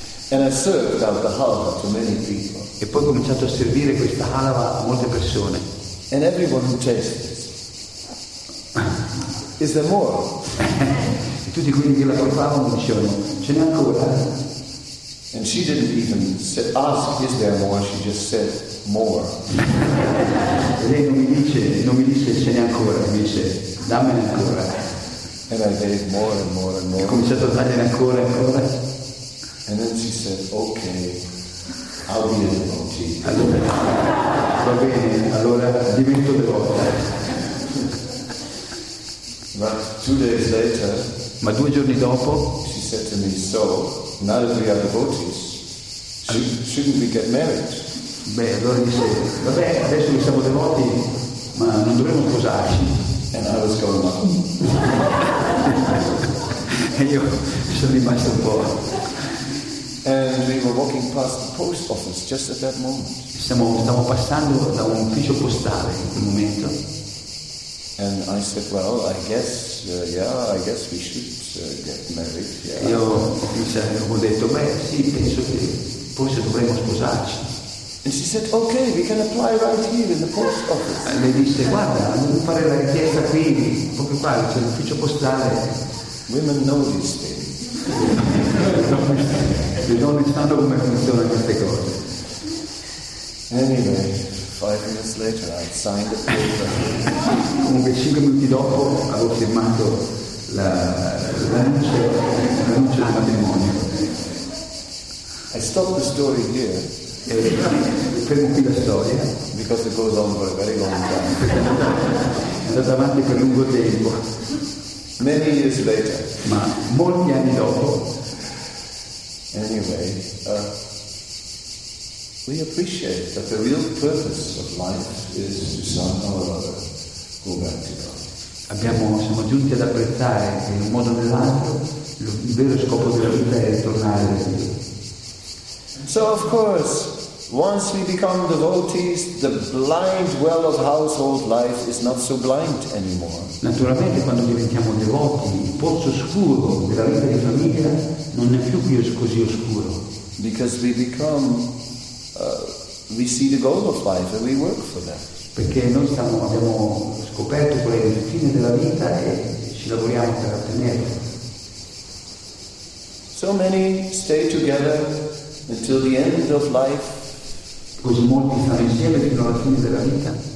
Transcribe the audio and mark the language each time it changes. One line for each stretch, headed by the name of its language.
English: And I served out the halva to many people.
Italian: E poi ho cominciato a servire questa halva a molte persone.
English: And everyone who tasted it. Is there more?
Italian: E tutti quelli che la portavano dicevano, ce n'è ancora?
English: And she didn't even ask, is there more? She just said, more.
Italian: E lei non mi dice, ce n'è ancora, mi dice, dammene ancora.
English: And I gave more and more and more.
Italian: E ho cominciato a dargliene ancora e ancora.
English: And then she said, okay, I'll be a devotee.
Italian: Va bene, allora divento devota.
English: But 2 days later,
Italian: ma 2 giorni dopo,
English: she said to me, so, now that we are devotees, shouldn't we get married?
Italian: Beh, allora dice, vabbè, adesso che siamo devoti, ma non dovremmo sposarci.
English: And I was going,
Italian: e io sono rimasto un po'.
English: And we were walking past the post office just at that moment.
Italian: Stavo passando da un ufficio postale in quel momento.
English: And I said, well, I guess, I guess we should get married. Yeah.
Italian: Io ho detto, beh, sì, penso che forse dovremmo sposarci.
English: And she said, okay, we can apply right here in the post office.
Italian: E lei disse, guarda, andiamo a fare la richiesta qui, proprio qua, c'è l'ufficio postale.
English: Women know these things.
Italian: Le donne sanno come funzionano queste cose.
English: Anyway, 5 minutes later I signed the paper.
Italian: Comunque 5 minuti dopo avevo firmato l'annuncio del matrimonio.
English: I stopped the story here.
Italian: E fermo qui la storia.
English: Because it goes on for a very long time.
Italian: È andata avanti per lungo tempo.
English: Many years later.
Italian: Ma molti anni dopo.
English: Anyway, we appreciate that the real purpose of life is to somehow or other go back to God.
Italian: Siamo giunti ad apprezzare che in un modo o nell'altro il vero scopo della vita è tornare a Dio.
English: So of course, once we become devotees, the blind well of household life is not so blind anymore.
Italian: Naturalmente quando diventiamo devoti, il pozzo scuro della vita di famiglia non è più così oscuro.
English: Because we become we see the goal of life and we work for that.
Italian: Perché noi abbiamo scoperto qual è il fine della vita e ci lavoriamo per ottenerlo.
English: So many stay together until the end of life.
Italian: Così molti stanno insieme fino alla fine della vita.